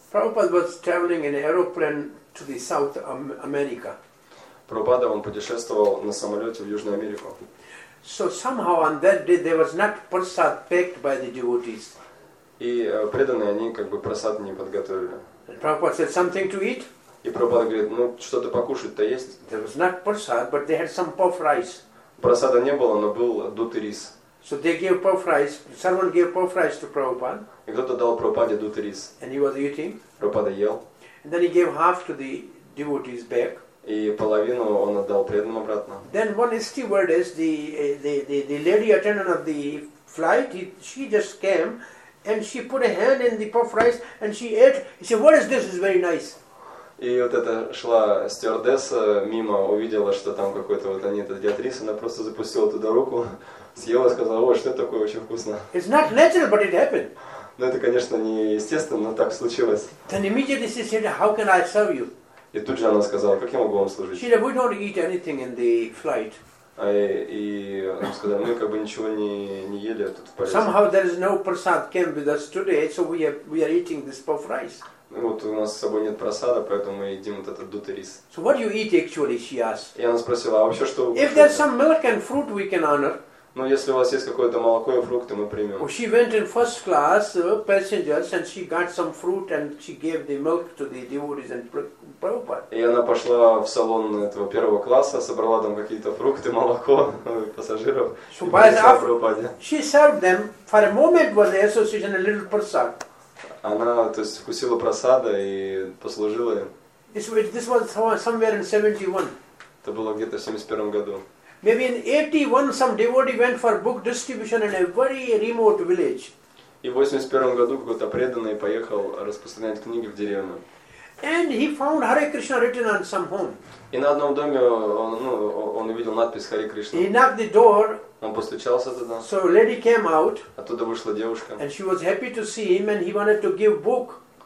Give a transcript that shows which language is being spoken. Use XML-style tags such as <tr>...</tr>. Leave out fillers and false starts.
<en>Prabhupada was traveling in an aeroplane to the South America.</en> <ru>Прабхупада, он путешествовал на самолете в Южную Америку.</ru> <en>So somehow on that day there was not prasad packed by the devotees.</en> <ru>И преданные, они как бы просад не подготовили.</ru> <en>Prabhupada said something to eat.</en> <ru>И Прабхупада говорит, ну что-то покушать-то есть.</ru> <en>There was not prasad, but they had some puff rice.</en> <ru>Прасада не было, но был дутый рис.</ru> <en>So they gave puff rice. Someone gave puff rice to Prabhupada.</en> <ru>И кто-то дал Прабхупаде дутый рис.</ru> <en>And he was eating.</en> <ru>Прабхупада ел.</ru> <en>And then he gave half to the devotees back.</en> <ru>И половину он отдал преданным обратно.</ru> <en>Then one stewardess, the lady attendant of the flight, she just came and she put a hand in the puff rice and she ate. She said, "What is this? It's very nice."</en> <ru>И вот эта шла стюардесса мимо, увидела, что там какой-то вот они этот диатрис, она просто запустила туда руку, съела, сказала, о, что это такое, очень вкусно.</ru> <en>It's not natural, but it happened.</en> <ru>Но это, конечно, не естественно, но так случилось.</ru> <en>Then immediately she said, how can I serve you?</en> <ru>И тут же она сказала, как я могу вам служить?</ru> <en>She said, we don't eat anything in the flight.</en> <ru>И сказали, мы как бы ничего не ели тут в полете.</ru> <en>Somehow there is no prasad came with us today, so we are eating this puff rice.</en> <ru>Вот у нас с собой нет просада, поэтому мы едим вот этот дутый рис.</ru> <en>So what do you eat actually, she asked.</en> <ru>И она спросила, а вообще что?</ru> <en>If there's some milk and fruit, we can honor.</en> <ru>Ну, если у вас есть какое-то молоко и фрукты, мы примем.</ru> <en>Well, she went in first class, passengers, and she got some fruit and she gave the milk to the devotees and Prabhupada.</en> <ru>И она пошла в салон этого первого класса, собрала там какие-то фрукты, молоко пассажиров.</ru> <en>So by the Prabhupada. She served them for a moment was the association a little prasad.</en> <ru>Она, то есть, вкусила просада и послужила им.</ru> <en>This was somewhere in 71.</en> <ru>Это было где-то в 71 году.</ru> <en>Maybe in 81 some devotee went for book distribution in a very remote village.</en> <ru>И в 81 году какой-то преданный поехал распространять книги в деревню.</ru> <en>And he found Hare Krishna written on some home.</en> <ru>И на одном доме он увидел надпись Hare Krishna.</ru> <en>He knocked the door.</en> <ru>Он постучался туда.</ru> <en>So lady came out.</en> <ru>Оттуда вышла девушка.</ru> <en>And she was happy to see him, and he wanted to give book.</en>